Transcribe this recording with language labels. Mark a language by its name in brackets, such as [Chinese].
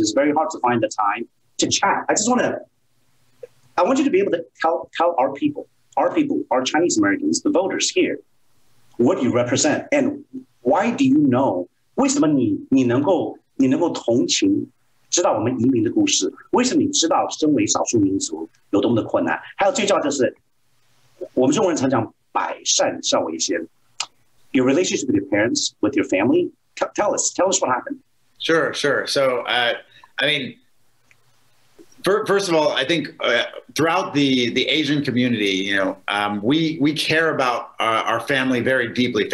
[English] It's very hard to find the time to chat. I want you to be able to tell our people, our Chinese Americans, the voters here, what you represent and why do you know. [Chinese] 为什么你能够同情知道我们移民的故事？为什么你知道身为少数民族有多么的困难？还有最重要就是，我们中国人常讲百善孝为先。 [English] Your relationship with your parents, with your family, tell us what happened. Sure. So, I mean, first of all, I think throughout the Asian community, you know, we care about our family very deeply.